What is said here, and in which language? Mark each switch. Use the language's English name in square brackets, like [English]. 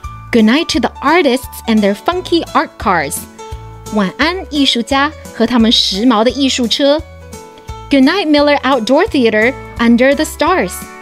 [English] Good night to the artists and their funky art cars. [Chinese] 晚安,艺术家和他们时髦的艺术车. [English] Good night, Miller Outdoor Theater, Under the Stars.